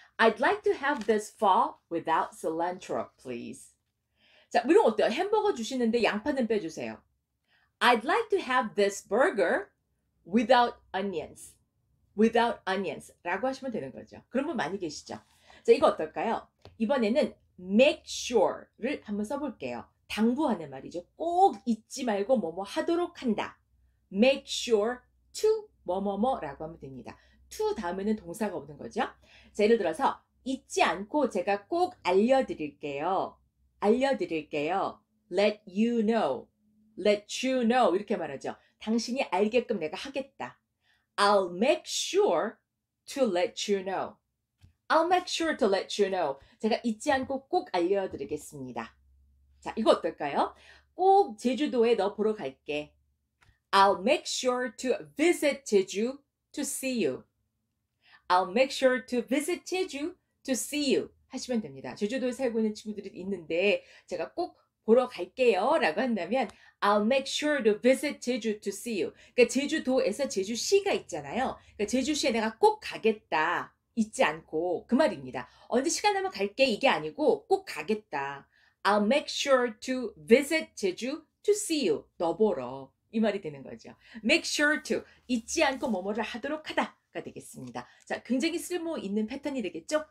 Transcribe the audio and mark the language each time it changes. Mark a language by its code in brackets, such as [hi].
[en] I'd like to have this pho without cilantro, please. [ko] 자, 이런 거 어때요? 햄버거 주시는데 양파는 빼주세요. [en] I'd like to have this burger without onions. Without onions. [ko] 라고 하시면 되는 거죠. 그런 분 많이 계시죠? 자, 이거 어떨까요? 이번에는 [en] make sure [ko] 를 한번 써볼게요. 당부하는 말이죠. 꼭 잊지 말고 뭐뭐 하도록 한다. [en] Make sure to [ko] 뭐뭐뭐라고 하면 됩니다. to 다음에는 동사가 없는 거죠. 자, 예를 들어서 잊지 않고 제가 꼭 알려드릴게요. 알려드릴게요. [en] Let you know. Let you know. [ko] 이렇게 말하죠. 당신이 알게끔 내가 하겠다. [en] I'll make sure to let you know. I'll make sure to let you know. [ko] 제가 잊지 않고 꼭 알려드리겠습니다. 자, 이거 어떨까요? 꼭 제주도에 너 보러 갈게. [en] I'll make sure to visit 제주 to see you. I'll make sure to visit 제주 to see you. [ko] 하시면 됩니다. 제주도에 살고 있는 친구들이 있는데 제가 꼭 보러 갈게요 라고 한다면 [en] I'll make sure to visit 제주 to see you. [ko] 그러니까 제주도에서 제주시가 있잖아요. 그러니까 제주시에 내가 꼭 가겠다. 잊지 않고 그 말입니다. 언제 시간 나면 갈게 이게 아니고 꼭 가겠다. [en] I'll make sure to visit 제주 to see you. [ko] 너 보러. 이 말이 되는 거죠. [en] Make sure to. [ko] 잊지 않고 뭐뭐를 하도록 하다. 되겠습니다. 자, 굉장히 쓸모 있는 패턴이 되겠죠?